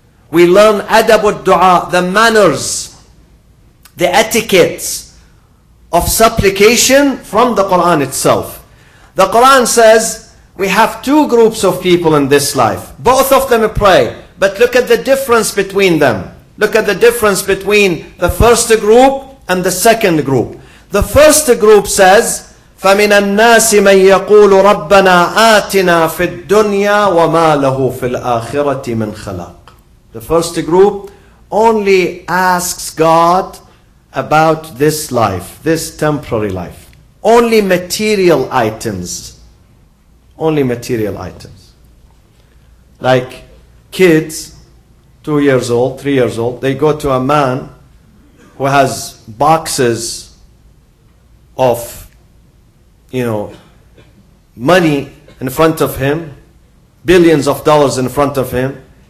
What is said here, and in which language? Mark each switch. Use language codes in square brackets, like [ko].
[en] We learn adabul du'a, the manners, the etiquettes of supplication from the Quran itself. The Quran says we have two groups of people in this life. Both of them pray. But look at the difference between them. Look at the difference between the first group and the second group. The first group says, [ar] فَمِنَ النَّاسِ مَنْ يَقُولُ رَبَّنَا آتِنَا فِي الدُّنْيَا وَمَا لَهُ فِي الْآخِرَةِ مِنْ خَلَقٍ. [en] The first group only asks God about this life, this temporary life. Only material items. Only material items. Like kids, 2 years old, 3 years old, they go to a man who has boxes of, you know, money in front of him, billions of dollars in front of him.